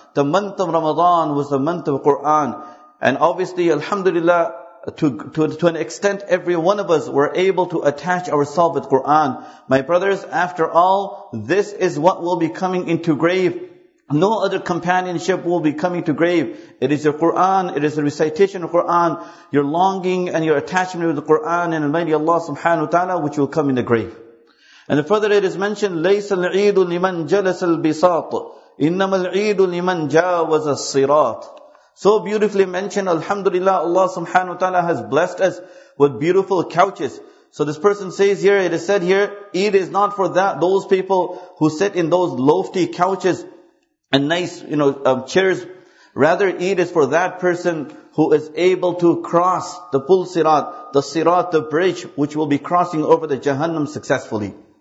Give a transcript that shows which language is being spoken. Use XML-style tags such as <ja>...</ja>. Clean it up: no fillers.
<en>The month of Ramadan was the month of Qur'an. And obviously, alhamdulillah, To an extent, every one of us were able to attach ourselves with Qur'an. My brothers, after all, this is what will be coming into grave. No other companionship will be coming to grave. It is your Qur'an, it is the recitation of Qur'an, your longing and your attachment with the Qur'an and Almighty Allah subhanahu wa ta'ala, which will come in the grave. And further it is mentioned,</en> <ar>لَيْسَ الْعِيدُ لِمَنْ جَلَسَ الْبِسَاطُ إِنَّمَا الْعِيدُ لِمَنْ جَاوَزَ الصِّرَاطُ.</ar> <en>so beautifully mentioned, Alhamdulillah, Allah subhanahu wa ta'ala has blessed us with beautiful couches. So this person says here, it is said here, Eid is not for that those people who sit in those lofty couches and nice, you know, chairs. Rather, Eid is for that person who is able to cross the pul sirat, the sirat, the bridge, which will be crossing over the Jahannam successfully.</en>